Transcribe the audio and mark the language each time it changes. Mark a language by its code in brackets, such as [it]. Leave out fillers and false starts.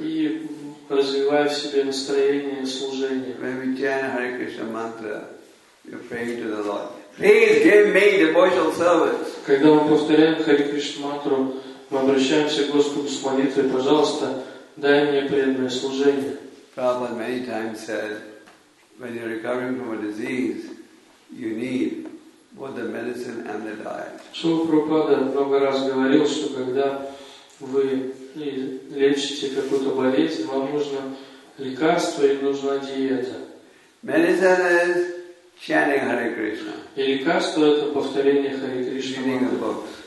[ru] И развивая в себе настроение служения. [en] When we chant Hare Krishna mantra, we pray to the Lord. Please give me devotional service. [ru] Когда мы повторяем Хари Кришна мантру, мы обращаемся к Господу с молитвой: пожалуйста, дай мне преданное служение. [en] Prabhupada many times said, when you're recovering from a disease, you need both the medicine and the diet. [ru] Шрила Прабхупада много раз говорил, что когда вы лечите какую-то болезнь, вам нужно лекарство и нужна диета. [en] Medicine is chanting Hare Krishna. [ru] И лекарство – это повторение Хари Кришна. [en] Reading the books.